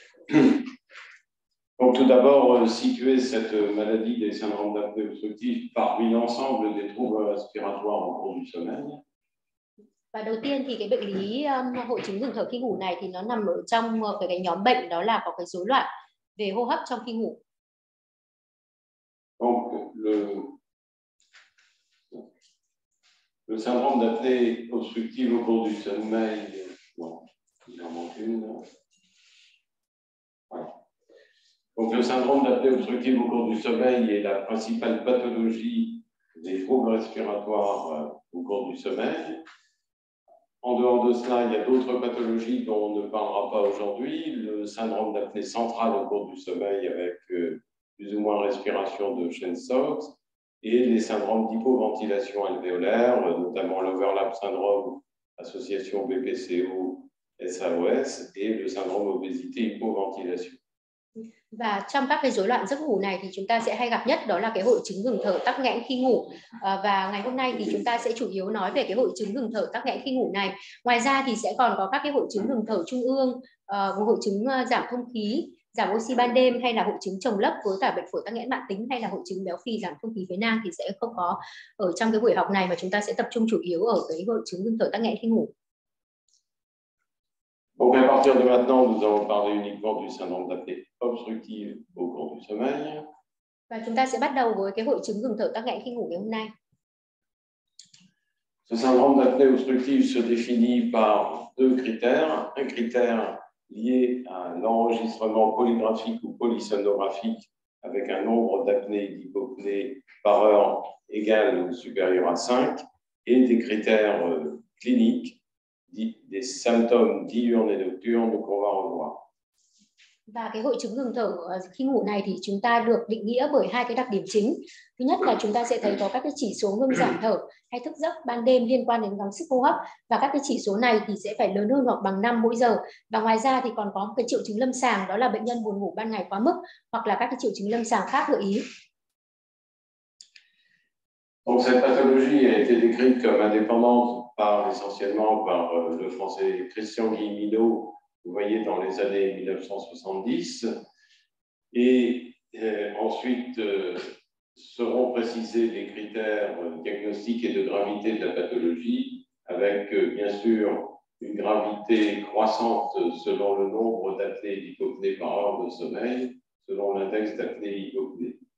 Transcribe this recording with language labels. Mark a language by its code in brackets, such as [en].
[fr] Donc tout d'abord, situer cette maladie des syndromes d'apnée obstructive parmi l'ensemble des troubles respiratoires au cours du sommeil. [vi] Và đầu tiên thì cái bệnh lý hội chứng ngừng thở khi ngủ này thì nó nằm ở trong cái nhóm bệnh đó là có cái rối loạn về hô hấp trong khi ngủ. [fr] Donc le syndrome d'apnée obstructive au cours du sommeil, bon, il en manque une. Donc le syndrome d'apnée obstructive au cours du sommeil est la principale pathologie des troubles respiratoires au cours du sommeil. En dehors de cela, il y a d'autres pathologies dont on ne parlera pas aujourd'hui. Le syndrome d'apnée centrale au cours du sommeil avec plus ou moins respiration de Chenstocks et les syndromes d'hypoventilation alvéolaire, notamment l'overlap syndrome, association BPCO-SAOS et le syndrome obésité-hypoventilation. [vi] Và trong các cái rối loạn giấc ngủ này thì chúng ta sẽ hay gặp nhất đó là cái hội chứng ngừng thở tắc nghẽn khi ngủ. Và ngày hôm nay thì chúng ta sẽ chủ yếu nói về cái hội chứng ngừng thở tắc nghẽn khi ngủ này. Ngoài ra thì sẽ còn có các cái hội chứng ngừng thở trung ương, hội chứng giảm thông khí, giảm oxy ban đêm hay là hội chứng trồng lấp với cả bệnh phổi tắc nghẽn mãn tính hay là hội chứng béo phì giảm thông khí phế nang thì sẽ không có ở trong cái buổi học này, mà chúng ta sẽ tập trung chủ yếu ở cái hội chứng ngừng thở tắc nghẽn khi ngủ. [fr] Donc à partir de maintenant, nous allons parler uniquement du syndrome d'apnée obstructive au cours du sommeil. [vi] Và chúng ta sẽ bắt đầu với cái hội chứng ngừng thở tắc nghẽn khi ngủ ngày hôm nay. [fr] Ce syndrome d'apnée obstructive se définit par deux critères. Un critère lié à l'enregistrement polygraphique ou polysonographique avec un nombre d'apnées et d'hypopnées par heure égal ou supérieur à 5 et des critères cliniques. Des symptômes diurnes et nocturnes qu'on va revoir. [vi] Và cái hội chứng ngừng thở khi ngủ này thì chúng ta được định nghĩa bởi hai cái đặc điểm chính. Thứ nhất là chúng ta sẽ thấy có các cái chỉ số ngừng giảm thở hay thức giấc ban đêm liên quan đến gắng sức hô hấp, và các cái chỉ số này thì sẽ phải lớn hơn hoặc bằng 5 mỗi giờ. Và ngoài ra thì còn có một cái triệu chứng lâm sàng, đó là bệnh nhân buồn ngủ ban ngày quá mức hoặc là các cái triệu chứng lâm sàng khác gợi ý. [fr] Donc cette pathologie a été décrite comme indépendante par essentiellement par le français Christian Guy Milhaud, vous voyez, dans les années 1970. Et ensuite seront précisés les critères diagnostiques et de gravité de la pathologie, avec bien sûr une gravité croissante selon le nombre d'apnées d'hypopnées par heure de sommeil, selon l'index d'apnée hypopnée.